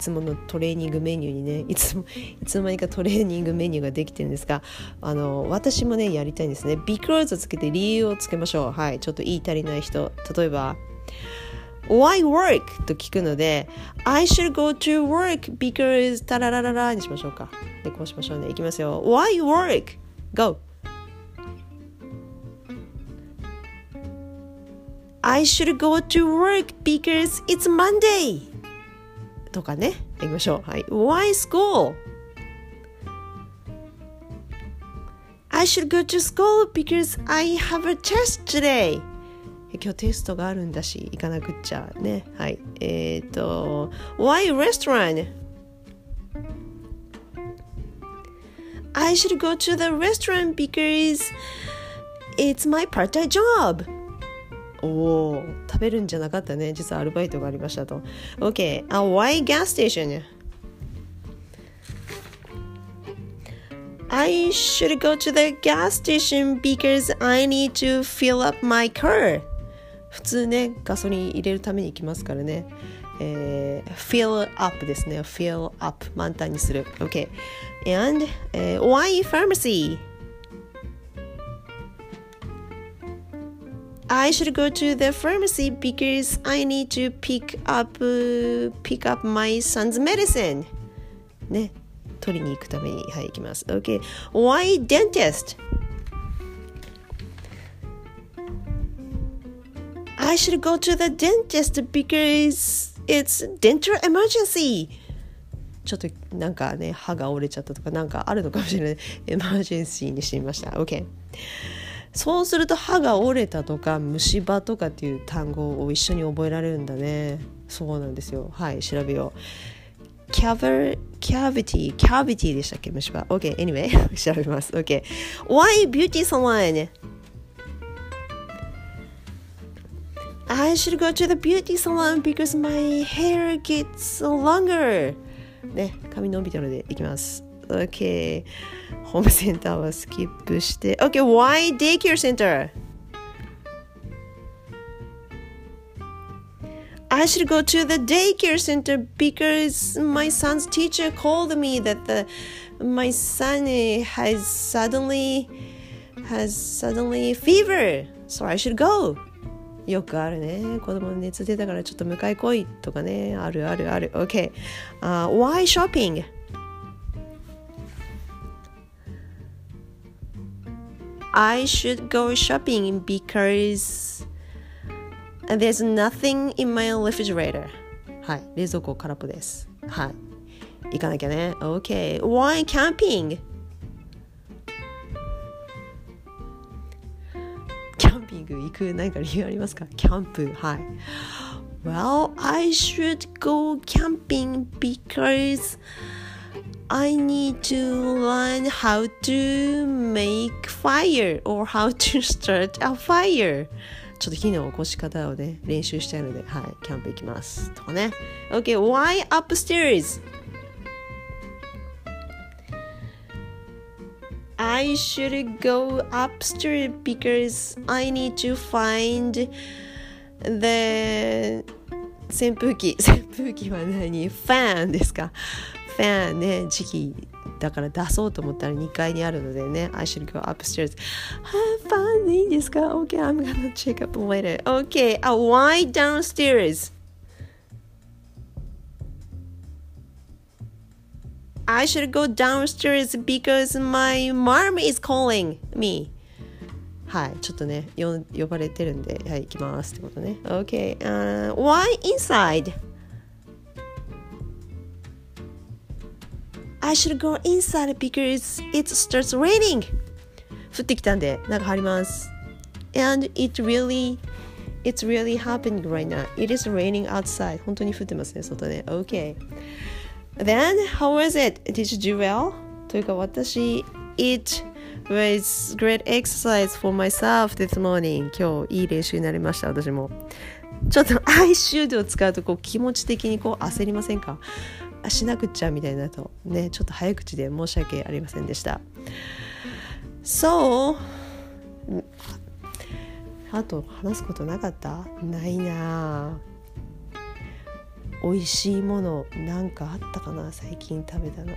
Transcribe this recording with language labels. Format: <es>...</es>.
<ja>いつものトレーニングメニューにね、いつの間にかトレーニングメニューができてるんですが、私もねやりたいんですね。 because をつけて理由をつけましょう。はい、ちょっと言い足りない人、例えば</ja> <en>why work</en> <ja>と聞くので、</ja> <en>I should go to work because</en> <ja>タラララララにしましょうか。でこうしましょうね。いきますよ。</ja> <en>why work goI should go to work because it's Monday.</en> <ja>とかね、行きましょう。はい。</ja> <en>Why school? I should go to school because I have a test today.</en> <ja>今日テストがあるんだし、行かなくっちゃね。はい。</ja> <en>Why restaurant? I should go to the restaurant because it's my part-time job.</en> <ja>おお、食べるんじゃなかったね、実はアルバイトがありましたと。</ja> <en>OK、 Why gas station? I should go to the gas station because I need to fill up my car.</en> <ja>普通ね、ガソリン入れるために行きますからね。</ja> <en>Fill up</en> <ja>ですね。Fill up、満タンにする。Okay.</ja> <en>And、why pharmacy? I should go to the pharmacy because I need to pick up my son's medicine.</en> <ja>ね、取りに行くために、はい、行きます。</ja> <en>Okay. Why dentist? I should go to the dentist because it's dental emergency.</en> <ja>ちょっとなんかね、歯が折れちゃったとかなんかあるのかもしれない。</ja> <en>Emergency</en> <ja>にしてみました。Okay. そうすると歯が折れたとか虫歯とかっていう単語を一緒に覚えられるんだね。そうなんですよ。はい、調べよう。</ja> <en>Cavity</en> <ja>でしたっけ、虫歯。</ja> <en>OK, anyway,</en> <ja>調べます。</ja> <en>OK. Why beauty salon? I should go to the beauty salon because my hair gets longer.</en> <ja>ね、髪伸びたので行きます。</ja> <en>OK.</en> <ja>ホームセンターはスキップして。</ja> <en>OK. Why daycare center? I should go to the daycare center because my son's teacher called me that my son has suddenly fever. So I should go.</en> <ja>よくあるね。子供熱出たからちょっと迎え来いとかね。あるあるある。</ja> <en>OK. Why shopping? I should go shopping because there's nothing in my refrigerator.</en> <ja>はい、冷蔵庫空っぽです。はい、行かなきゃね。</ja> <en>Okay. Why camping?</en> <ja>キャンピング行く何か理由ありますか？キャンプ、はい。</ja> <en>Well, I should go camping because I need to learn how to make fire or how to start a fire.</en> <ja>ちょっと火の起こし方をね、練習したいので、はい、キャンプ行きます。とかね。</ja> <en>Okay, why upstairs? I should go upstairs because I need to find the</en> <ja>扇風機は何？ファンですか？ファンね、時期だから出そうと思ったら2階にあるのでね。</ja> <en>I should go upstairs.</en> <ja>ファンでいいですか？</ja> <en>OK, I'm gonna check up later. OK, why downstairs? I should go downstairs because my mom is calling me.</en> <ja>はい、ちょっとね、呼ばれてるんで、はい、行きますってことね。</ja> <en>OK, why inside? I should go inside because it starts raining.</en> <ja>降ってきたんで中入ります。</ja> <en>And it's really happening right now. It is raining outside.</en> <ja>本当に降ってますね、外ね。</ja> <en>Okay. Then how was it? Did you do well?</en> <ja>というか私、</ja> <en>it was great exercise for myself this morning.</en> <ja>今日いい練習になりました、私も。ちょっと</ja> <en>I should</en> <ja>を使うとこう気持ち的にこう焦りませんか？しなくちゃみたいなとね、ちょっと早口で申し訳ありませんでした。</ja> <en>So,</en> <ja>あと話すことなかった？ないな。美味しいものなんかあったかな、最近食べたの。</ja>